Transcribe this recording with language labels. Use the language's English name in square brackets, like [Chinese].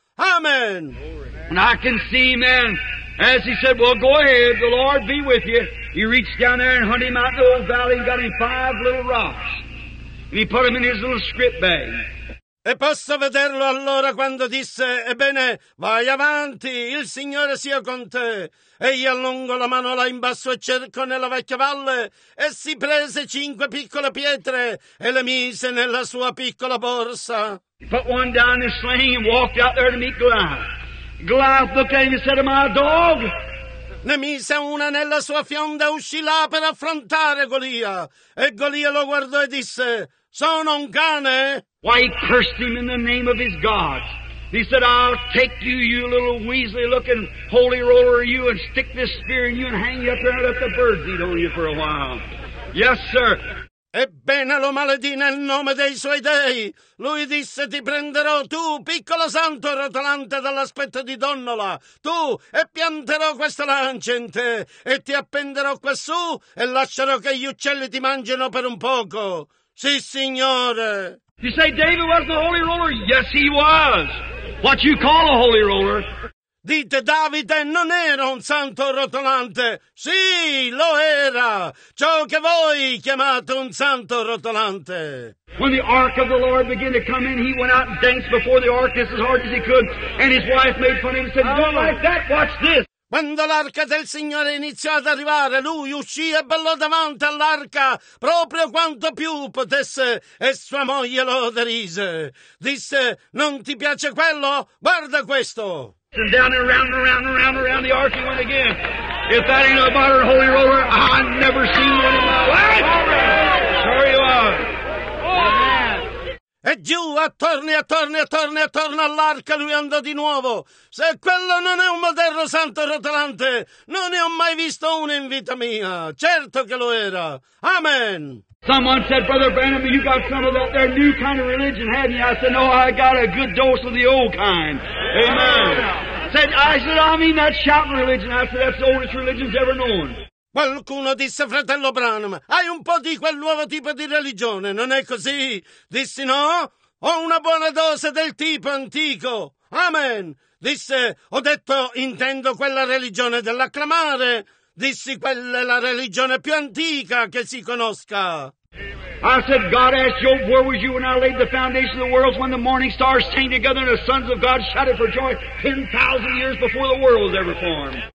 [English] Amen. And I can see, man, as he said, well, go ahead, the Lord be with you. He reached down there and hunted him out in the old valley and got him five little rocks. And he put them in his little script bag. [Italian] E posso vederlo allora quando disse, ebbene, vai avanti, il Signore sia con te. Egli allungò la mano là in basso e cercò nella vecchia valle, e si prese cinque piccole pietre e le mise nella sua piccola borsa. [English] He put one down in his sling and walked out there to meet Goliath. Goliath looked at him and said, am I a dog? [Italian] Ne mise una nella sua fionda e uscì là per affrontare Golia. E Golia lo guardò e disse, sono un cane? [English] Why, he cursed him in the name of his God. He said, I'll take you, you little weasley-looking holy roller, you, and stick this spear in you and hang you up there and let the birds eat on you for a while. Yes, sir. [Italian] Ebbene lo maledì nel nome dei suoi dei. Lui disse, ti prenderò tu, piccolo santo rotolante dall'aspetto di donnola, tu, e pianterò questa lancia in te, e ti appenderò quassù, e lascerò che gli uccelli ti mangino per un poco. Sì, signore. [English] You say David was the holy roller? Yes, he was. What you call a holy roller? [Italian] Dite, Davide non era un santo rotolante. Sì, lo era. Ciò che voi chiamate un santo rotolante. [English] When the ark of the Lord began to come in, he went out and danced before the ark just as hard as he could. And his wife made fun of him and said, don't like that, watch this. [Italian] Quando l'arca del Signore iniziò ad arrivare, lui uscì e ballò davanti all'arca proprio quanto più potesse, e sua moglie lo derise. Disse, non ti piace quello? Guarda questo! [English] And down and around and around and around, around the ark he went again. If that ain't a modern holy roller, I've never seen one in my life. Sure you are. [Italian] E giù, attorno all'arca, lui andò di nuovo. Se quello non è un moderno santo rotolante, non ne ho mai visto uno in vita mia. Certo che lo era. Amen. [English] Someone said, Brother Branham, you got some of that there new kind of religion, haven't you? I said, no, I got a good dose of the old kind. Amen. I mean that shouting religion. I said, that's the oldest religion's ever known. [Italian] Qualcuno disse, fratello Branham, hai un po' di quel nuovo tipo di religione, non è così? Dissi, no, ho una buona dose del tipo antico. Amen. Disse, ho detto, intendo quella religione dell'acclamare. Dissi, quella è la religione più antica che si conosca. [English] I said, God asked Job, where was you when I laid the foundation of the world when the morning stars sang together and the sons of God shouted for joy 10,000 years before the world was ever formed.